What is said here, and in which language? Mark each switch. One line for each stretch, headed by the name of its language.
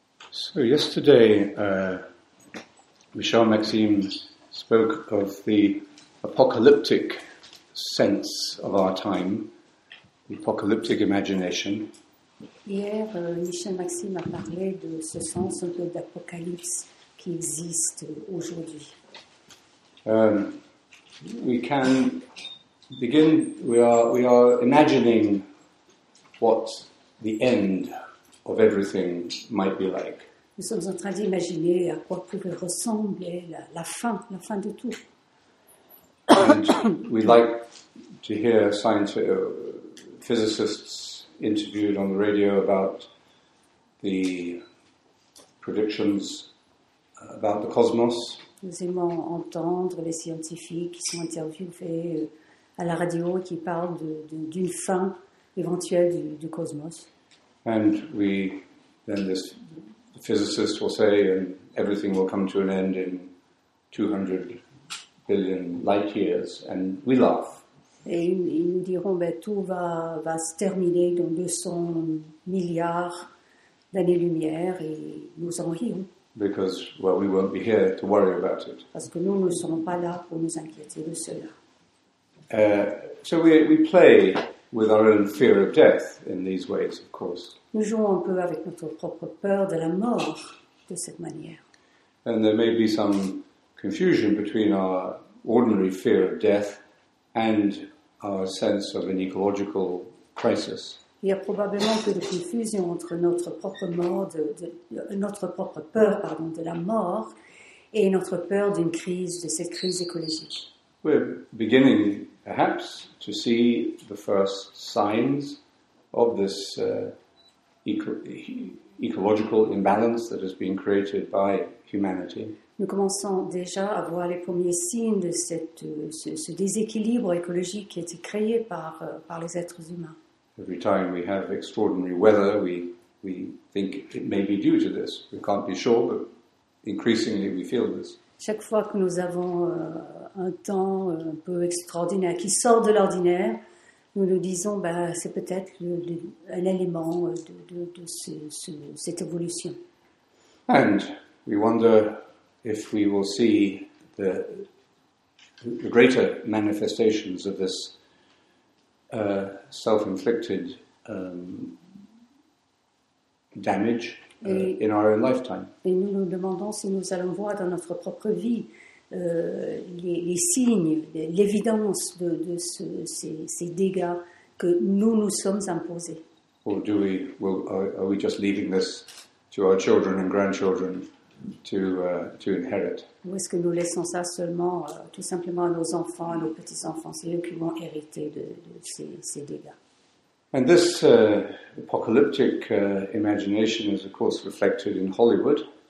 English: So yesterday, Michel Maxime spoke of the apocalyptic sense of our time, the apocalyptic imagination.
French: Hier, Michel Maxime a parlé de ce sens un peu d'apocalypse qui existe aujourd'hui.
English: We are imagining what the end of everything might be like.
French: Nous sommes en train d'imaginer à quoi pourrait ressembler la fin de tout.
English: And we like to hear physicists interviewed on the radio about the predictions about the cosmos.
French: Nous aimons entendre les scientifiques qui sont interviewés à la radio qui parlent d'une fin éventuelle du cosmos.
English: And we then this. Physicists will say everything will come to an end in 200 billion light years, and we laugh.
French: Et ils nous diront, tout va se terminer dans 200 milliards d'années-lumière, et nous en rions.
English: Because, we won't be here to worry about it.
French: Parce que nous ne serons pas là pour nous inquiéter de cela.
English: So we play with our own fear of death in these ways, of course.
French: Nous jouons un peu avec notre propre peur de la mort de cette manière.
English: And there may be some confusion between our ordinary fear of death and our sense of an ecological crisis.
French: Il y a probablement un peu de confusion entre notre propre mort, notre propre peur de la mort et notre peur d'une crise, de cette crise écologique.
English: We're beginning, perhaps, to see the first signs of this ecological imbalance that has been created by humanity.
French: Nous commençons déjà à voir les premiers signes de ce déséquilibre écologique qui a été créé par les êtres humains.
English: Every time we have extraordinary weather, we think it may be due to this. We can't be sure, but increasingly we feel this.
French: Chaque fois que nous avons un temps un peu extraordinaire qui sort de l'ordinaire, nous nous disons, c'est peut-être un élément de cette évolution.
English: And We wonder if we will see the greater manifestations of this self-inflicted damage in our own lifetime.
French: Et nous nous demandons si nous allons voir dans notre propre vie les signes, l'évidence de ces dégâts que nous nous sommes imposés.
English: Or do we, are we just leaving this to our children and grandchildren to inherit?
French: Ou est-ce que nous laissons ça seulement, tout simplement à nos enfants, à nos petits-enfants, c'est eux qui vont hériter de ces dégâts.
English: And this apocalyptic imagination is of course reflected in Hollywood.